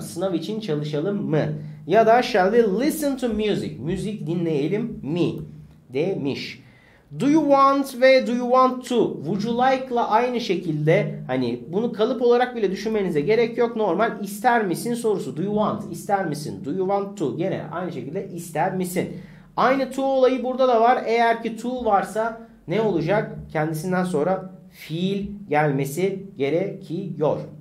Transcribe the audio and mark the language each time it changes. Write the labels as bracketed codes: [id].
[tr] Sınav için çalışalım mı? Ya da [en] shall we listen to music? [tr] Müzik dinleyelim mi? Demiş. [en] Do you want ve do you want to? [tr] Would you like'la aynı şekilde hani bunu kalıp olarak bile düşünmenize gerek yok. Normal ister misin sorusu. [en] Do you want? [tr] İster misin? [en] Do you want to? [tr] Gene aynı şekilde ister misin? Aynı to olayı burada da var. Eğer ki to varsa ne olacak? Kendisinden sonra fiil gelmesi gerekiyor.